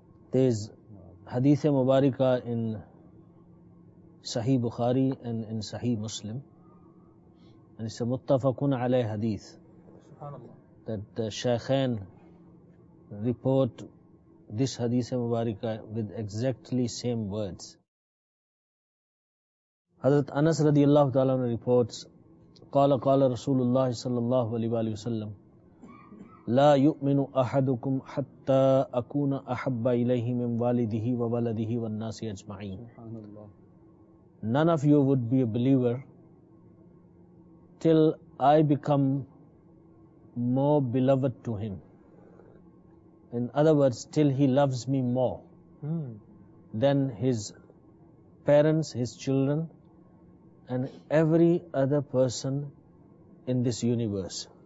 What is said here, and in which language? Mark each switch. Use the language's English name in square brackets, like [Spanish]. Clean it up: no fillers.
[English] There is hadith-e mubarakah in Sahih Bukhari and in Sahih Muslim. And it's a muttafaqun alayhi hadith that the shaykhain report this hadith-e mubarakah with exactly same words. [Arabic] حضرت انس رضی اللہ تعالیٰ عنہ رپورٹس، قال قال رسول اللہ صلی اللہ علیہ وآلہ وسلم لا یؤمن احدکم حتی اکون احب الیہ من والدہ وولدہ والناس اجمعین. [English] None of you would be a believer till I become more beloved to him. In other words, till he loves me more than his parents, his children, and every other person in this universe.